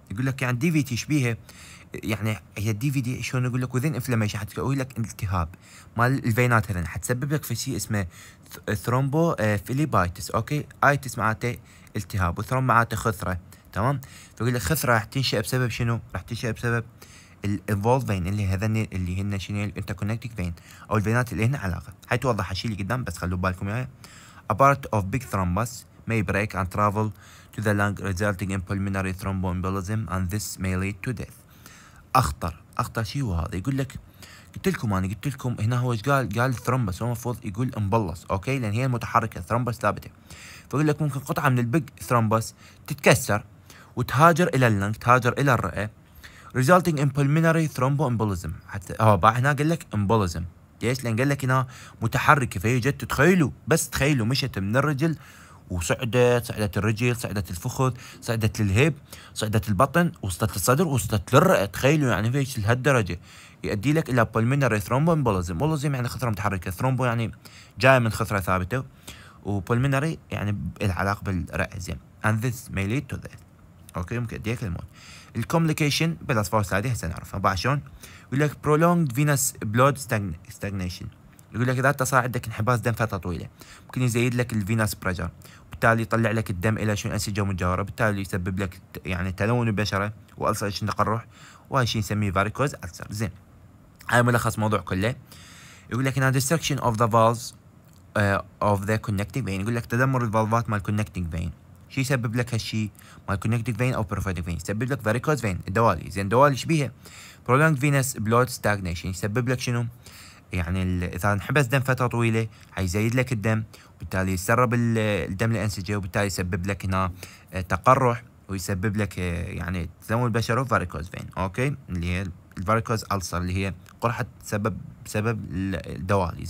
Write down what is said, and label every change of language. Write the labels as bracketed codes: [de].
[ar] يقول لك يعني DVT شبيهه يعني هي DVT شلون اقول لك [en] within inflammation [ar] حتقول لك التهاب مال الفينات هذن حتسبب لك في شيء اسمه thrombophlebitis okay. itis معناته التهاب وthrom معناته خثره. تمام فيقول لك خثره راح تنشئ بسبب شنو؟ راح تنشئ بسبب الانفولد فين اللي هذني اللي هن شنو الانتركونكتد فين او الفينات اللي هن علاقه. حيتوضح هالشيء اللي قدام بس خلوا بالكم اياه. [en] A part of big thrombus may break and travel to the lung resulting in pulmonary thromboembolism and this may lead to death. [ar] اخطر شيء هو هذا. يقول لك قلت لكم هنا هو ايش قال الثرومبس هو المفروض يقول امبلس اوكي لان هي متحركه الثرومبس ثابته. فيقول لك ممكن قطعه من البيج ثرومبس تتكسر وتهاجر الى اللنج تهاجر الى الرئه [en] resulting in pulmonary thromboembolism. [ar] حتى بعد هنا قال لك embolism ليش؟ لان قال لك هنا متحركه فهي جت تخيلوا بس تخيلوا مشت من الرجل وصعدت، صعدت الرجل، صعدت الفخذ، صعدت للهيب، صعدت البطن، وصلت للصدر، وصلت للرئة. تخيلوا يعني فيش لهالدرجة يؤدي لك إلى بولمينري ثرومبومبولزم. بولزم يعني خثرة متحركة، ثرومبو يعني جاي من خثرة ثابتة، وبولمينري يعني العلاقة بالرئة زين. [en] And this may lead to death. [ar] أوكي ممكن يؤدي لك الموت. الكومليكيشن بالأصفار هذه هسه نعرفها بعد شلون. يقول لك [en] prolonged venous blood stagnation. [ar] يقول لك إذا تصاعدك انحباس دم فترة طويلة ممكن يزيد لك الفينس بريشر، بالتالي يطلع لك الدم إلى شو أنسجة مجاورة، بالتالي يسبب لك يعني تلون البشرة وألسر إيش نقرح، وهذا الشيء نسميه فاريكوز ألسر. زين هاي ملخص موضوع كله. يقول لك إنه [en] destruction of the valves of the connecting vein. [ar] يقول لك تدمر الفالفات مال [en] connecting vein. [ar] شيء يسبب لك هالشيء مال connecting vein أو perforating vein؟ يسبب لك فاريكوز vein الدوالي. زين دوالي شبيهة [en] prolonged venous blood stagnation. [ar] يسبب لك شنو يعني إذا انحبس دم فترة طويلة هيزيد لك الدم، وبالتالي يسرب الدم للأنسجة، وبالتالي يسبب لك هنا تقرح، ويسبب لك يعني تزمل البشرة فاريكوز فين. أوكي اللي هي الفاريكوز ألسر اللي هي قرحة سبب الدوالي.